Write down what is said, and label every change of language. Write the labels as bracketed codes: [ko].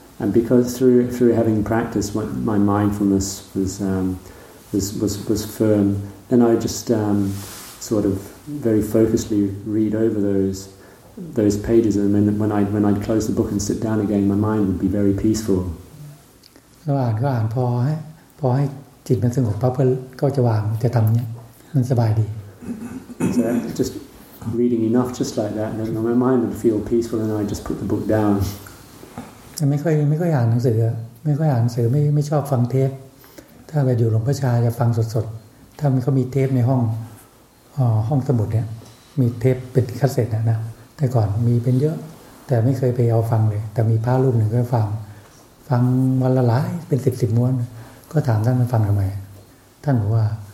[en] And because through having practice, my mindfulness was firm, then I just sort of very focusedly read over those pages, and then when I'd close the book and sit down again, my mind would be very peaceful. [th] เราอ่านก็อ่านพอให้จิตมันสงบปั๊บก็จะวางจะทำเนี้ยมันสบายดี [en] So just reading enough just like that, and then my mind would feel peaceful, and I just put the book down. [th] ไม่ค่อยอ่านหนังสือไม่ค่อยอ่านหนังสือไม่ชอบฟังเทปถ้าไปอยู่หลวงพ่อชาจะฟังสดๆถ้ามันเขามีเทปในห้องสมุดเนี่ยมีเทปเป็นคาสเซ็ตนะแต่ก่อนมีเป็นเยอะแต่ไม่เคยไปเอาฟังเลยแต่มีพระรูปหนึ่งก็ฟังวันละหลายเป็นสิบม้วนก็ถามท่านมันฟังทำไมท่านบอกว่า